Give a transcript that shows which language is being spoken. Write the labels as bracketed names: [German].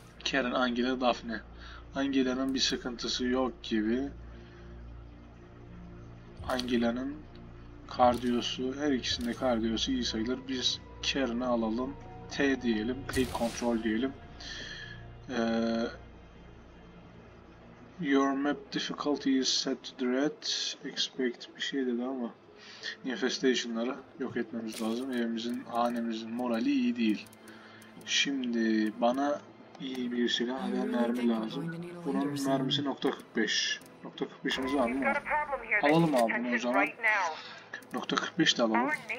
[Turkish] Karen, Angela, Daphne. Angela'nın bir sıkıntısı yok gibi. Angela'nın kardiyosu, her ikisinde kardiyosu iyi sayılır. Biz Karen'ı alalım. T diyelim, T control diyelim. [English] Your map difficulty is set to dread. [Turkish] Expect bir şey dedi ama infestation'ları yok etmemiz lazım. Evimizin, hanemizin morali iyi değil. Şimdi bana İyi bir silah ve mermi lazım. Bunun mermisi .45. .45'imiz var mı? Alalım abi bunu o zaman. .45 de alalım.